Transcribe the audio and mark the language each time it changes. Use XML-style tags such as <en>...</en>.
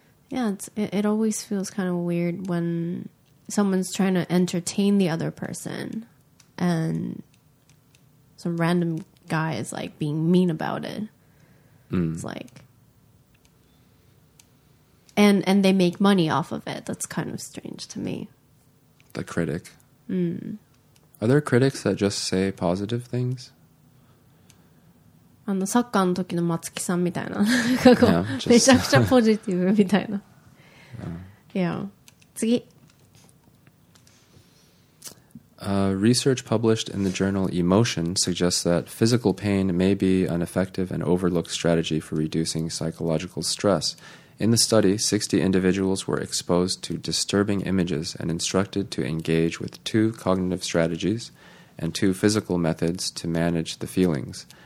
<en>Yeah, it always feels kind of weird when someone's trying to entertain the other person and some random guy is like being mean about it. It's like, and they make money off of it. That's kind of strange to me. The critic. Mm. Are there critics that just say positive things?</en> <ja>あのサッカーの時の松木さんみたいな、なんかこうめちゃくちゃポジティブみたいな。</ja> <en>Yeah. 次。 Research published in the journal Emotion suggests that physical pain may be an effective and overlooked strategy for reducing psychological stress. In the study, 60 individuals were exposed to disturbing images and instructed to engage with two cognitive strategies and two physical methods to manage the feelings.</en>